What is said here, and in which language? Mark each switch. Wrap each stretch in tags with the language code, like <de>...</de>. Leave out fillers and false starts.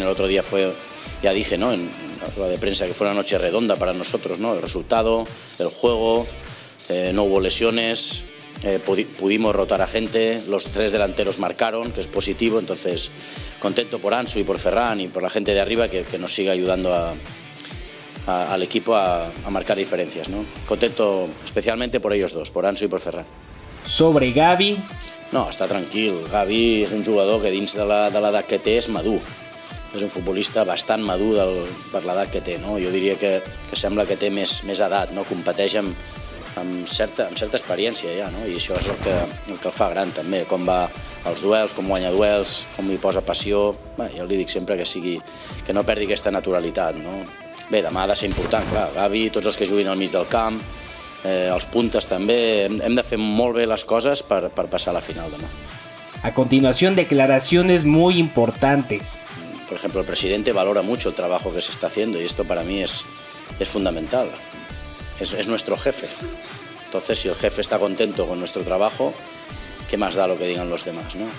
<es>El otro día fue, ya dije, ¿no?, en la rueda de prensa, que fue una noche redonda para nosotros, ¿no? El resultado, el juego, no hubo lesiones, pudimos rotar a gente, los tres delanteros marcaron, que es positivo. Entonces, contento por Ansu y por Ferran y por la gente de arriba que nos sigue ayudando al equipo a marcar diferencias, ¿no? Contento especialmente por ellos dos, por Ansu y por Ferran. Sobre Gavi.</es> <ca>No, està tranquil. Gavi és un jugador que dins de l'edat que té és madur. És un futbolista bastant madur per l'edat que té, no? Jo diria que sembla que té més edat, no? Competeix amb certa experiència ja, no? I això és el que el fa gran també, com va als duels, com guanya duels, com hi posa passió. Bé, jo li dic sempre que no perdi aquesta naturalitat, no? Bé, demà ha de ser important, clar. Gavi, tots els que juguin al mig del camp, els puntes també, hem de fer molt bé les coses per passar a la final demà.</ca> <es>A continuación, declaraciones muy importantes. Por ejemplo, el presidente valora mucho el trabajo que se está haciendo y esto para mí es fundamental. Es nuestro jefe. Entonces, si el jefe está contento con nuestro trabajo, ¿qué más da lo que digan los demás, ¿no?</es>